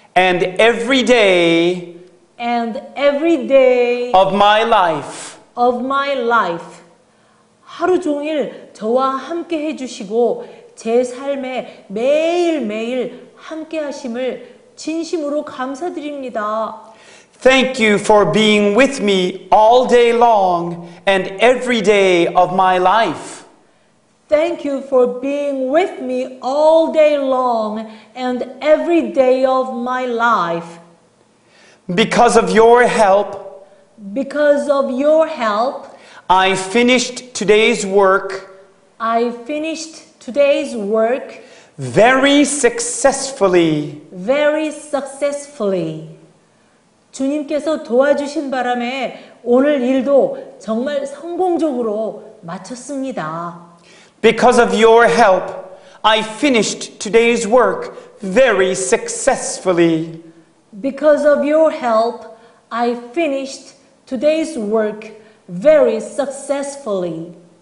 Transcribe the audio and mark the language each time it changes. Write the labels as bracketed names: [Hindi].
[English] And every day. And every day of my life. Of my life. [Korean] 하루 종일 저와 함께 해주시고 제 삶에 매일매일 함께 하심을 진심으로 감사드립니다. [English] Thank you for being with me all day long and every day of my life. Thank you for being with me all day long and every day of my life. Because of your help, because of your help, I finished today's work. I finished today's work. Very successfully. Very successfully. [Korean] 주님께서 도와주신 바람에 오늘 일도 정말 성공적으로 마쳤습니다. [English] Because of your help, I finished today's work very successfully. Because of your help, I finished today's work very successfully.